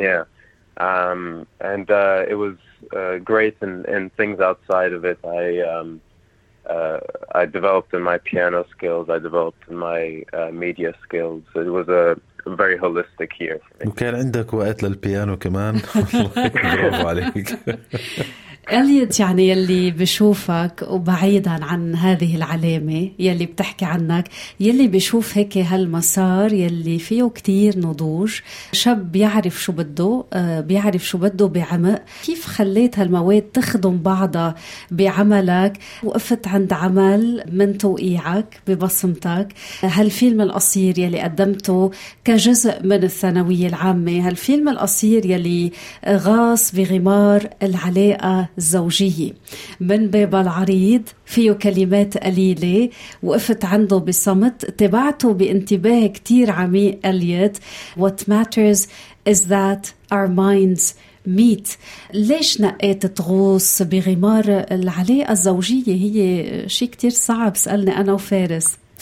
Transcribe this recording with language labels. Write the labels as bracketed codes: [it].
[en] Yeah, and it was great in things outside of it. I developed in my piano skills, I developed in my media skills. It was a very holistic year for me. [ar] وكان عندك وقت للبيانو كمان؟ برافو عليك. أليت, يعني يلي بشوفك وبعيدا عن هذه العلامة يلي بتحكي عنك, يلي بشوف هيك هالمسار يلي فيه كتير نضوج, شاب بيعرف شو بده, بيعرف شو بده بعمق, كيف خليت هالمواد تخدم بعضها بعملك؟ وقفت عند عمل من توقيعك ببصمتك, هالفيلم القصير يلي قدمته كجزء من الثانوية العامة, هالفيلم القصير يلي غاص بغمار العلاقة الزوجية من باب العريض, فيه كلمات قليلة وقفت عنده بصمت, تبعته بانتباه كتير عميق. [en] أليت, what matters is that our minds meet. [ar] ليش نقيت تغوص بغمار العلاقة الزوجية؟ هي شيء كتير صعب, سألني أنا وفارس.